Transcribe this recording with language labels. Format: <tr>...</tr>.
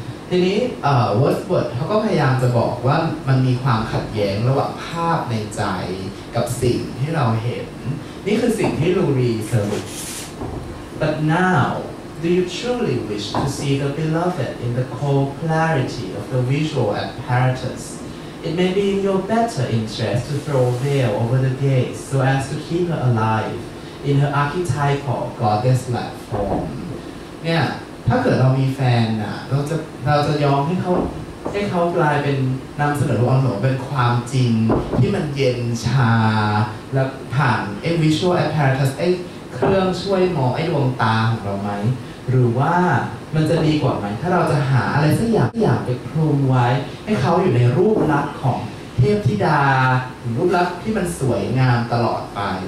<th>ทีนี้Wordsworthเขาก็พยายามจะบอกว่ามันมีความขัดแย้งระหว่างภาพในใจกับสิ่งที่เราเห็นนี่คือสิ่งที่ลูรีสรุป</th> <en>but nowDo you truly wish to see the beloved in the cold clarity of the visual apparatus? It may be in your better interest to throw a veil over the gaze so as to keep her alive, in her archetype of goddess platform</en> <th>เนี่ยถ้าเกิดเรามีแฟนอ่ะเราจะยอมให้เขากลายเป็นนำเสนอตัวของเป็นความจริงที่มันเย็นชาและผ่านไอ้ visual apparatus ไอ้เครื่องช่วยมองไอ้ดวงตาของเราไหมหรือว่ามันจะดีกว่าไหมถ้าเราจะหาอะไรสักอย่างไปคลุมไว้ให้เขาอยู่ในรูปลักษณ์ของเทพธิดาหรือรูปลักษณ์ที่มันสวยงามตลอดไป</th>